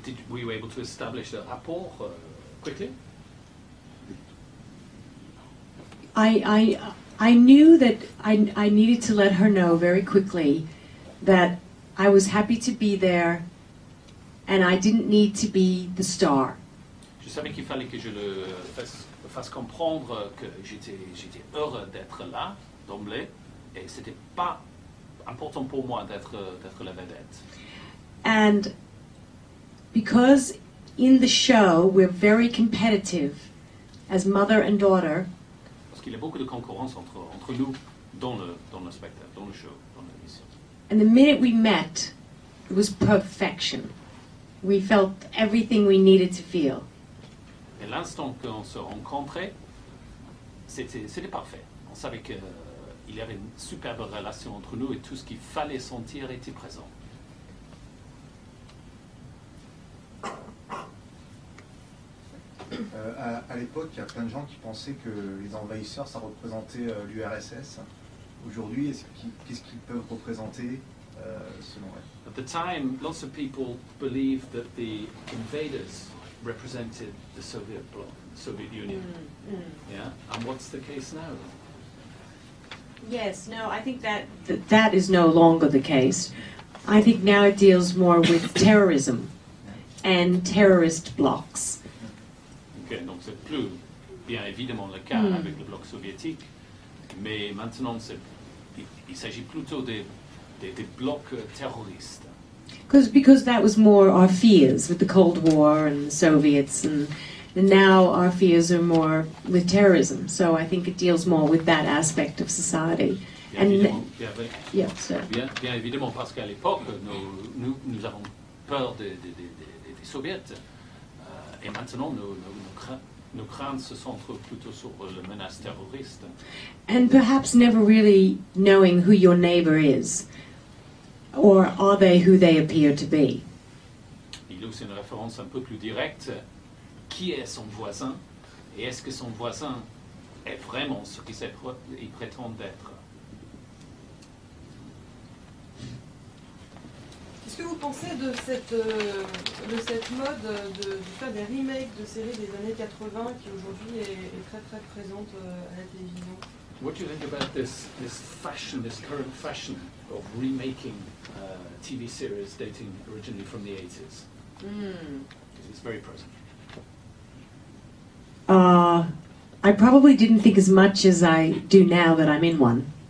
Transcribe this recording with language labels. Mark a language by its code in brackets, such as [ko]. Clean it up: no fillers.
[en] Were you able to establish a rapport quickly? I knew that I needed to let her know very quickly that I was happy to be there, and I didn't need to be the star. [fr] Je savais qu'il fallait que je le fasse comprendre que j'étais heureux d'être là d'emblée et c'était pas important pour moi d'être la vedette. [en] And because in the show we're very competitive as mother and daughter. [fr] Parce qu'il y a beaucoup de concurrence entre nous dans le spectacle, dans le show, dans l'émission. [en] And the minute we met, it was perfection. We felt everything we needed to feel. [fr] Et l'instant qu'on se rencontrait, c'était parfait. On savait qu'il y avait une superbe relation entre nous et tout ce qu'il fallait sentir était présent. À l'époque, il y a plein de gens qui pensaient que les envahisseurs, ça représentait l'URSS. Aujourd'hui, qu'est-ce qu'ils peuvent représenter selon eux? [en] At the time, lots of people believed that the invaders represented the Soviet bloc, the Soviet Union. Mm. Yeah, and what's the case now? Yes, no, I think that is no longer the case. I think now it deals more with terrorism and terrorist blocs. [fr] Okay, donc c'est plus bien évidemment le cas avec le bloc soviétique, mais maintenant c'est, il s'agit plutôt des blocs terroristes. [en] Because that was more our fears with the Cold War and the Soviets, and now our fears are more with terrorism. So I think it deals more with that aspect of society. [fr] Bien évidemment, parce qu'à l'époque, nous avons peur des Soviets, et maintenant nos craintes se centrent plutôt sur la menace terroriste. [en] And perhaps never really knowing who your neighbor is, or are they who they appear to be? [fr] Il y a aussi une référence un peu plus directe. Qui est son voisin? Et est-ce que son voisin est vraiment ce qu'il prétend d'être? Qu'est-ce que vous pensez de cette mode de faire des remakes de séries des années 80 qui aujourd'hui est très très présente à la télévision? [en] What do you think about this fashion, this current fashion of remaking TV series dating originally from the 80s? Because it's very present. I probably didn't think as much as I do now that I'm in one.